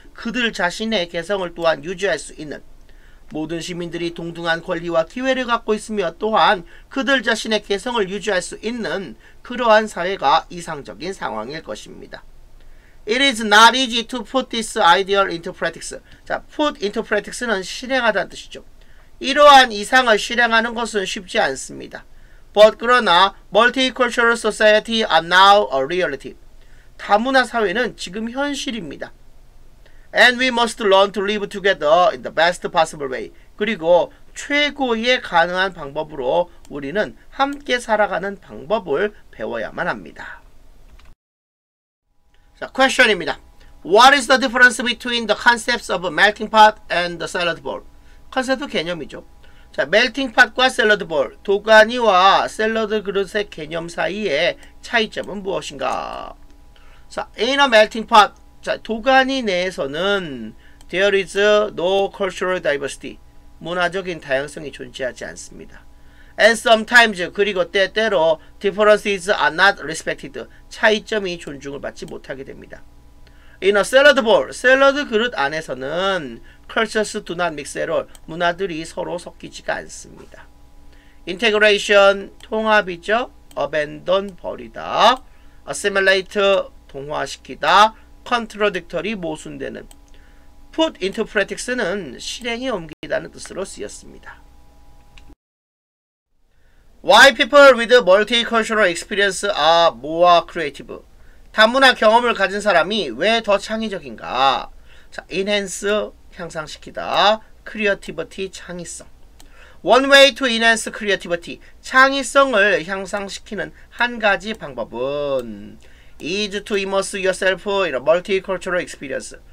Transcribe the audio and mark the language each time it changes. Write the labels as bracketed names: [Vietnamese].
[Korean] 그들 자신의 개성을 또한 유지할 수 있는 모든 시민들이 동등한 권리와 기회를 갖고 있으며 또한 그들 자신의 개성을 유지할 수 있는 그러한 사회가 이상적인 상황일 것입니다. [English] It is not easy to put this ideal into practice. [Korean] 자, put into practice는 실행하다는 뜻이죠. 이러한 이상을 실행하는 것은 쉽지 않습니다. [English] But 그러나 multicultural society are now a reality. [Korean] 다문화 사회는 지금 현실입니다. [English] And we must learn to live together in the best possible way. [Korean] 그리고 최고의 가능한 방법으로 우리는 함께 살아가는 방법을 배워야만 합니다. 자, question입니다. [English] What is the difference between the concepts of a melting pot and the salad bowl? [Korean] 컨셉트 개념이죠. 자, melting pot과 salad bowl, 도가니와 샐러드 그릇의 개념 사이의 차이점은 무엇인가? [English] 자, in a melting pot, [Korean] 자, 도가니 내에서는 [English] there is no cultural diversity. [Korean] 문화적인 다양성이 존재하지 않습니다. [English] And sometimes, [Korean] 그리고 때때로 [English] difference is not respected. [Korean] 차이점이 존중을 받지 못하게 됩니다. [English] In a salad bowl, [Korean] 샐러드 그릇 안에서는 [English] cultures do not mix at all. [Korean] 문화들이 서로 섞이지가 않습니다. Integration, 통합이죠. Abandon, 버리다. Assimilate, 동화시키다. Contradictory, 모순되는. Put into practice는 실행에 옮기다는 뜻으로 쓰였습니다. [English] Why people with multicultural experience are more creative? [Korean] 다문화 경험을 가진 사람이 왜 더 창의적인가? 자, enhance, 향상시키다. Creativity, 창의성. [English] One way to enhance creativity, [Korean] 창의성을 향상시키는 한 가지 방법은 [English] is to immerse yourself in a multicultural experience.